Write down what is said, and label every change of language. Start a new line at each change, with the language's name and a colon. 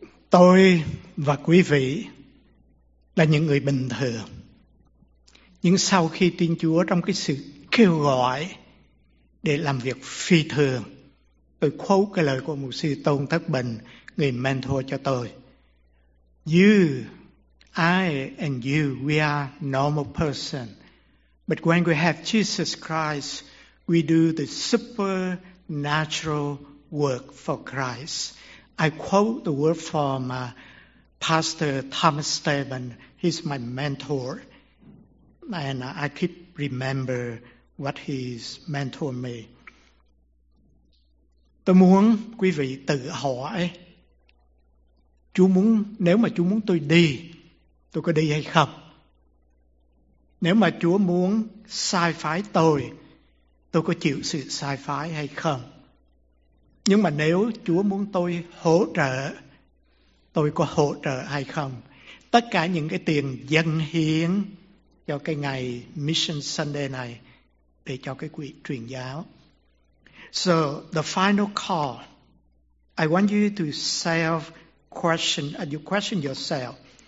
Vietnamese: Tôi và quý vị là những người bình thường. Nhưng sau khi tin Chúa trong cái sự kêu gọi để làm việc phi thường, tôi quote cái lời của mục sư Tôn Thất Bình, người mentor cho tôi.
English: You, I and you, we are normal person. But when we have Jesus Christ, we do the supernatural work for Christ. I quote the word from Pastor Thomas Stephen. He's my mentor. And I keep remember what his mentor made.
Vietnamese: Tôi muốn quý vị tự hỏi, Chúa muốn, nếu mà Chúa muốn tôi có đi hay không? Nếu mà Chúa muốn sai phái tôi có chịu sự sai phái hay không? Nhưng mà nếu Chúa muốn tôi hỗ trợ, tôi có hỗ trợ hay không? Tất cả những cái tiền dâng hiến cho cái ngày Mission Sunday này để cho cái quỹ truyền giáo.
English: So the final call, I want you to question yourself.